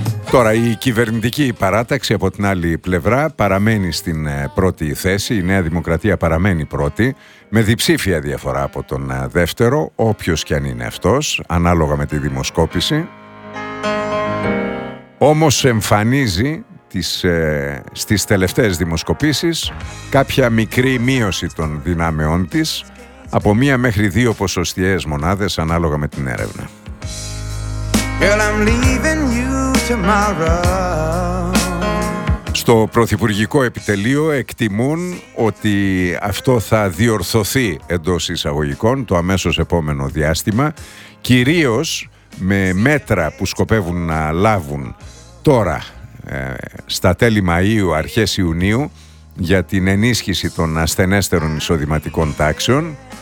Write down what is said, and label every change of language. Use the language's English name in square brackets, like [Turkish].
[Greek] Τώρα η κυβερνητική παράταξη από την άλλη πλευρά παραμένει στην πρώτη θέση, η Νέα Δημοκρατία παραμένει πρώτη, με διψήφια διαφορά από τον δεύτερο, όποιος και αν είναι αυτός, ανάλογα με τη δημοσκόπηση. Όμως εμφανίζει στις τελευταίες δημοσκοπήσεις κάποια μικρή μείωση των δυνάμεών της, από 1 μέχρι 2 ποσοστιαίες μονάδες ανάλογα με την έρευνα. [English] Girl, I'm leaving you tomorrow. [Greek] Στο Πρωθυπουργικό Επιτελείο εκτιμούν ότι αυτό θα διορθωθεί εντός εισαγωγικών το αμέσως επόμενο διάστημα, κυρίως με μέτρα που σκοπεύουν να λάβουν τώρα στα τέλη Μαΐου, αρχές Ιουνίου, για την ενίσχυση των ασθενέστερων εισοδηματικών τάξεων.